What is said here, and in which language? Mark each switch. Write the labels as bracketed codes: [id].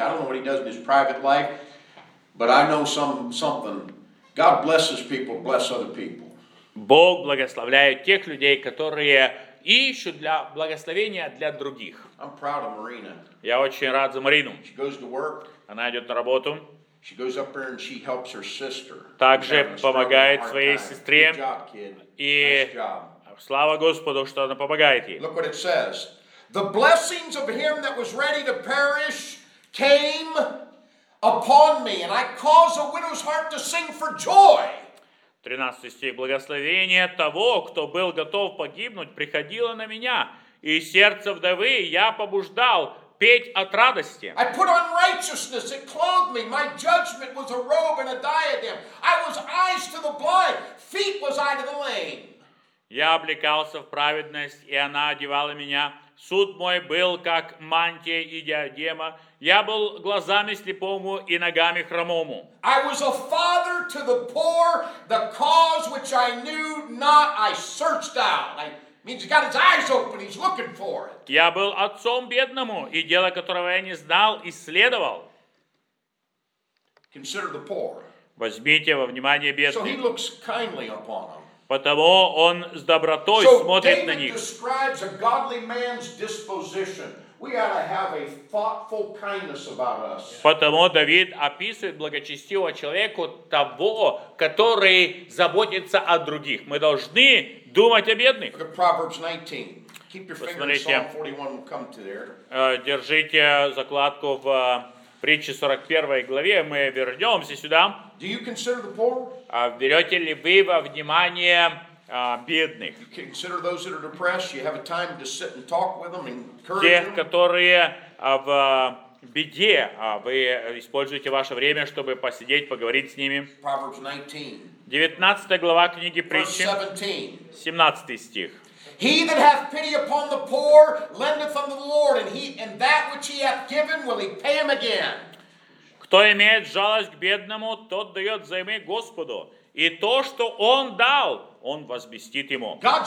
[en] I don't know what he does in his private life, but I know something. God blesses people, bless other people. [ru] Бог благословляет тех людей, которые ищут для благословения для других. [en] I'm proud of Marina. [ru] Я очень рад за Марину. [en] She goes to work. [ru] Она идет на работу. [en] She goes up there and she helps her sister. [ru] Также помогает своей сестре. [en] Good job, kid. Nice job. [ru] Слава Господу, что она помогает ей. [en] Look what it says. The blessings of him that was ready to perish came upon me, and I caused a widow's heart to sing for joy. [ru] 13 стих. Благословение того, кто был готов погибнуть, приходило на меня, и сердце вдовы я побуждал петь от радости. [en] I put on righteousness, it clothed me. My judgment was a robe and a diadem. I was eyes to the blind, feet was I to the lame. [ru] Я облекался в праведность, и она одевала меня. Суд мой был, как мантия и диадема. Я был глазами слепому и ногами хромому. [en] I was a father to the poor, the cause which I knew not, I searched out. Means he's got his eyes open, he's looking for it. [ru] Я был отцом бедному, и дело, которого я не знал, исследовал. [en] Consider the poor. [ru] Возьмите во внимание бедных. [en] So he looks kindly upon them. [ru] Потому он с добротой [en] so, [ru] смотрит [en] David [ru] на них. [en] Describes a godly man's disposition. We ought to have a thoughtful kindness about us. [ru] Потому Давид описывает благочестивого человека того, который заботится о других. Мы должны думать о бедных. [en] Look at Proverbs 19. Keep your finger in Psalm 41. We'll come to there. [ru] Держите закладку в притче 41 главе. Мы вернемся сюда. [en] Do you consider the poor? [ru] Берете ли вы во внимание бедных? [en] You consider those that are depressed. You have a time to sit and talk with them and encourage them. [ru] которые в беде, вы используете ваше время, чтобы посидеть, поговорить с ними. [en] Proverbs 19. [ru] 19 глава книги притч. 17 стих. [en] He that hath pity upon the poor lendeth unto the Lord, and that which he hath given will he pay him again. [ru] Кто имеет жалость к бедному, тот дает взаймы Господу. И то, что он дал, он возместит ему.